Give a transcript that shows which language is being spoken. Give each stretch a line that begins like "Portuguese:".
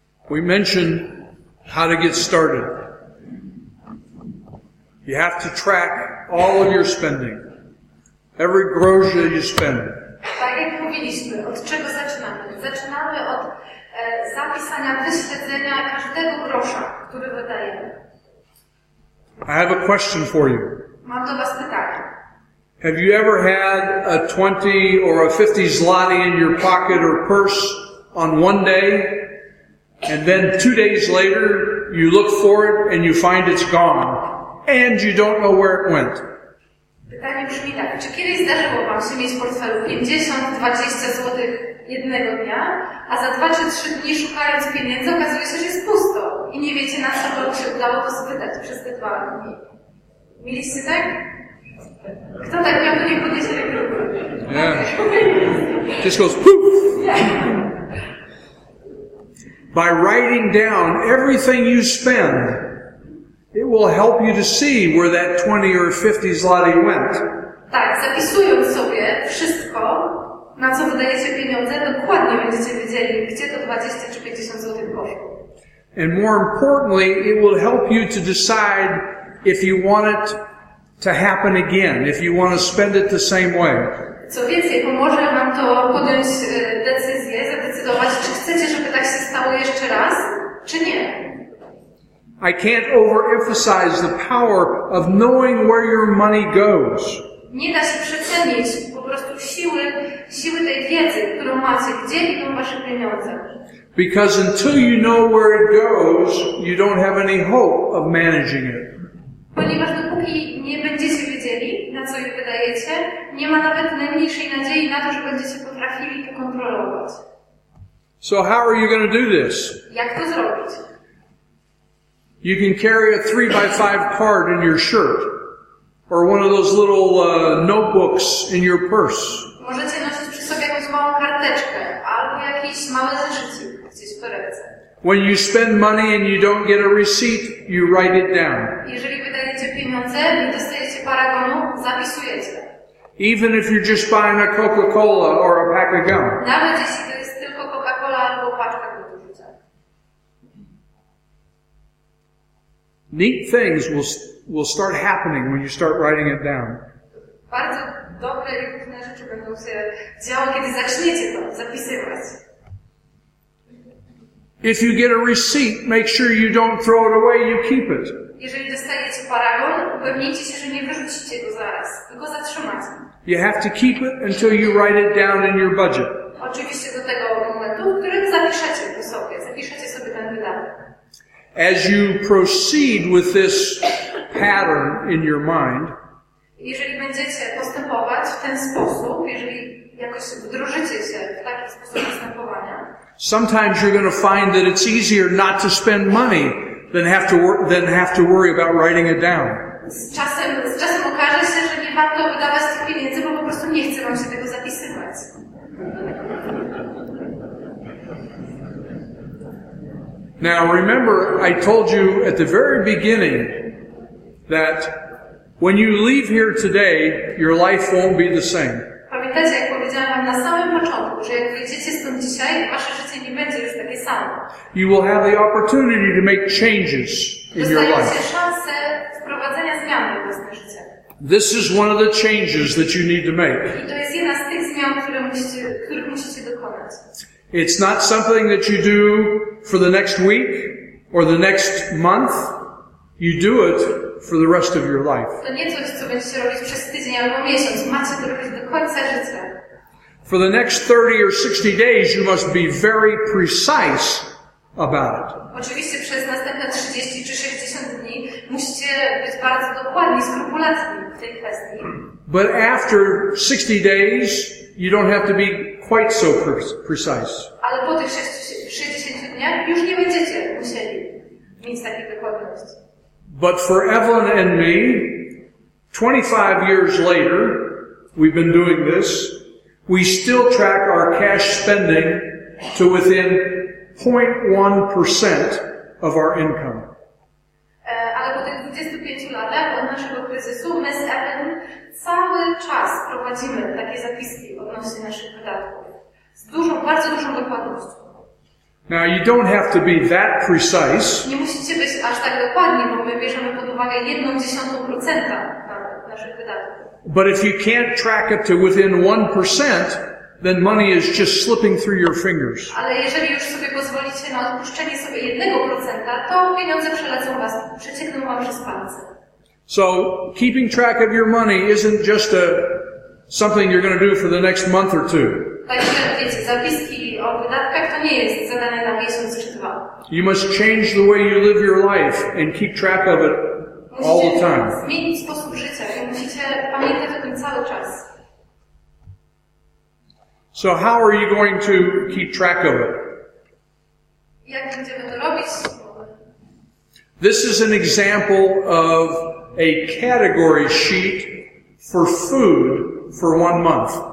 English: We mentioned how to get started. You have to track all of your spending, every grosze you spend.
Polish: Tak jak mówiliśmy, od czego zaczynamy? Zaczynamy od zapisania, wyśledzenia każdego grosza, który wydajemy.
English: I have a question for you.
Polish: Mam do was pytanie.
English: Have you ever had a 20 or a 50 zloty in your pocket or purse on one day, and then 2 days later you look for it and you find it's gone, and you don't know where it went?
Polish: Pytanie brzmi tak. Czy kiedyś zdarzyło wam się mieć w portfelu 50, 20 złotych jednego dnia, a za 2 czy 3 dni szukając pieniędzy okazuje się, że jest pusto i nie wiecie, na co wam się udało to spytać przez te 2 dni? Mieliście tak? Kto tak miał, to nie podniesie tej grupy.
English: Yeah. Just goes poof. By writing down everything you spend, it will help you to see where that 20 or 50 zloty went.
Polish: Tak, zapisując sobie wszystko, na co wydajecie pieniądze, dokładnie będziecie wiedzieli, gdzie to 20 czy 50 złotych poszło.
English: And more importantly, it will help you to decide if you want it to happen again, if you want to spend it the same way.
Polish: Co więcej, pomoże wam to podjąć decyzję, zadecydować, czy chcecie, żeby tak się stało jeszcze raz, czy nie.
English: I can't overemphasize the power of knowing where your money goes.
Polish: Nie da się przecenić po prostu siły tej wiedzy, którą macie, gdzie idą wasze pieniądze.
English: Because until you know where it goes, you don't have any hope of managing it.
Polish: Ponieważ dopóki nie będziecie wiedzieli, na co je wydajecie, nie ma nawet najmniejszej nadziei na to, że będziecie potrafili to kontrolować.
English: So how are you going to do this?
Polish: Jak to zrobić?
English: You can carry a 3x5 card in your shirt or one of those little notebooks in your purse.
Polish: Możecie nosić przy sobie jakąś małą karteczkę albo jakieś małe zeszyty gdzieś po ręce.
English: When you spend money and you don't get a receipt, you write it down.
Polish: Jeżeli wydajecie pieniądze i dostajecie paragonu, zapisujecie.
English: Even if you're just buying a Coca-Cola or a pack of gum.
Polish: Nawet jeśli to jest tylko Coca-Cola albo paczka gum.
English: neat things will start happening when you start writing it down.
Polish: Bardzo dobre i różne rzeczy będą się działy, kiedy zaczniecie to zapisywać.
English: If you get a receipt, make sure you don't throw it away, you keep it.
Polish: Jeżeli dostajecie paragon, upewnijcie się, że nie wyrzucicie go zaraz, tylko zatrzymacie.
English: You have to keep it until you write it down in your budget.
Polish: Oczywiście do tego momentu, w którym zapiszecie sobie ten wydatek.
English: As you proceed with this pattern in your mind,
Polish: jeżeli będziecie postępować w ten sposób, jeżeli jakoś wdrożycie się w taki sposób postępowania,
English: sometimes you're going to find that it's easier not to spend money than have to worry about writing it down.
Polish: Z czasem okaże się, że nie warto wydawać tych pieniędzy, bo po prostu nie chce wam się tego zapisywać.
English: Now remember, I told you at the very beginning that when you leave here today, your life won't be the same.
Polish: Pamiętacie, jak powiedziałam wam na samym początku, że jak wyjdziecie stąd dzisiaj, wasze życie nie będzie już takie samo.
English: You will have the opportunity to make changes in your life.
Polish: Dostajecie szansę wprowadzenia zmian w własne życie.
English: This is one of the changes that you need to make.
Polish: I to jest jedna z tych zmian, których musicie dokonać.
English: It's not something that you do for the next week or the next month. You do it for the rest of your life.
Polish: To nie coś, co będziecie robić przez tydzień albo miesiąc. Macie to robić do końca życia.
English: For the next 30 or 60 days, you must be very precise about it.
Polish: Oczywiście przez następne 30 czy 60 dni musicie być bardzo dokładni, skrupulatni w tej kwestii.
English: But after 60 days, you don't have to be quite so precise.
Polish: Ale po tych 60 dniach już nie będziecie musieli mieć takiej dokładności.
English: But for Evelyn and me, 25 years later, we've been doing this, we still track our cash spending to within 0.1% of our income.
Polish: Ale po tych 25 latach od naszego kryzysu, my z Evelyn cały czas prowadzimy takie zapiski odnośnie naszych wydatków. Z dużą, bardzo dużą dokładnością.
English: Now you don't have to be that precise.
Polish: Nie musicie być aż tak dokładni, bo my bierzemy pod uwagę 0.1% naszych wydatków.
English: But if you can't track it to within 1%, then money is just slipping through your fingers.
Polish: Ale jeżeli już sobie pozwolicie na odpuszczenie sobie 1%, to pieniądze przeciekną wam przez palce.
English: So keeping track of your money isn't just something you're going to do for the next month or two.
Polish: Zapiski o wydatkach to nie jest zadanie na miesiąc czy dwa.
English: You must change the way you live your life and keep track of it all the time.
Polish: Musicie zmienić sposób życia i musicie pamiętać o tym cały czas.
English: So how are you going to keep track of it?
Polish: Jak będziemy to robić?
English: This is an example of a category sheet for food for 1 month.